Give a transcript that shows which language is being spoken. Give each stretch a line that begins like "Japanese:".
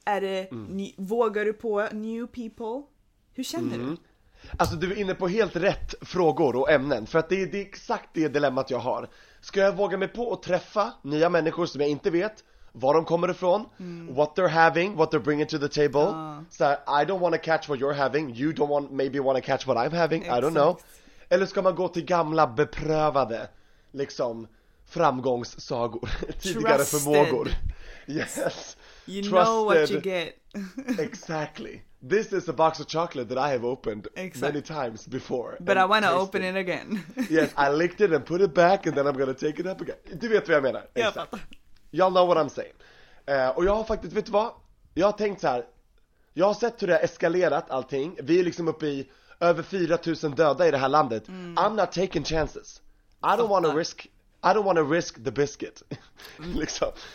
Swedish: Är det vågar du på
English: new people?
Swedish: Hur känner du? Alltså, du är inne på helt rätt frågor och ämnen, för att det är exakt det dilemmat jag har. Ska jag våga mig på att träffa nya människor som jag inte vet var de kommer ifrån,
English: what they're having, what they're bringing to the table.
Swedish: Så här,
English: I don't want to catch what you're having, you don't want maybe want to catch what I'm having.
Swedish: Exakt.
English: I don't know.
Swedish: Eller ska man gå till gamla beprövade liksom framgångssagor, tidigare
English: trusted
Swedish: förmågor.
English: Yes. You trusted. Know what you get. Exactly. This is a box of chocolate that I have opened many times before. But I want to open it again. Yes, I licked it and put it back and then I'm going to take it up again.
Swedish: Du vet vad jag menar. Jag fattar.
English: Y'all know what I'm saying.
Swedish: Och jag har faktiskt, vet du vad? Jag har tänkt så här. Jag har sett hur det har eskalerat allting. Vi är liksom uppe i över 4000 döda i det här landet.
English: I'm not taking chances. I don't want to risk the biscuit. Liksom.